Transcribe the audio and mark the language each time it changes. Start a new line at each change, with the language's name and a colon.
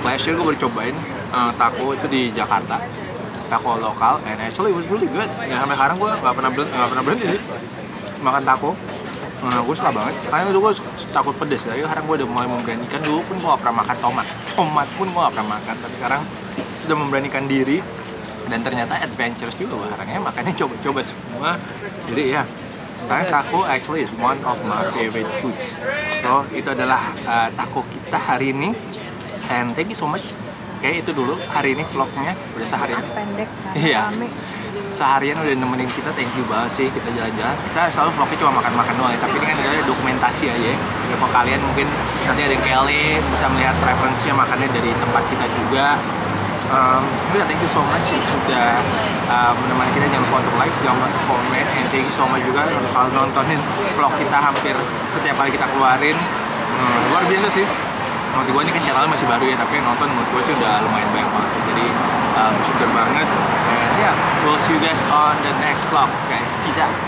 English: Last year
Indonesian: gue baru cobain taco itu di Jakarta, taco lokal,
English: and actually it was really good.
Indonesian: Ya, sampai sekarang gue gak pernah berhenti sih makan taco. Gue suka banget, karena itu gue takut pedes. Jadi sekarang gue udah mulai memberanikan, dulu pun gue gak pernah makan tomat. Tomat pun gue gak pernah makan, tapi sekarang udah memberanikan diri. Dan ternyata adventurous juga gue sekarang ya, makannya coba-coba semua. Jadi ya, karena
English: taco actually is one of my favorite foods. So,
Indonesian: itu adalah taco kita hari ini.
English: And thank you so much.
Indonesian: Okay, itu dulu hari ini vlognya. Udah seharian. Pendek. Iya. Seharian udah nemenin kita. Thank you banget sih kita jalan-jalan. Kita selalu vlognya cuma makan-makan doang. Tapi ini kan ada dokumentasi aja ya. Kalau kalian mungkin nanti ada Kelly bisa melihat preferensinya makannya dari tempat kita juga.
English: Yeah, thank you so much
Indonesian: yang sudah menemani kita. Jangan lupa untuk like, jangan lupa untuk komen.
English: And thank you so much
Indonesian: juga yang selalu nontonin vlog kita hampir setiap kali kita keluarin. Luar biasa sih. Maksud gue ini kan channelnya masih baru ya, tapi yang nonton menurut gue sih udah lumayan banyak banget sih. Jadi super banget.
English: And yeah, we'll see you guys on the next vlog, guys. Peace out.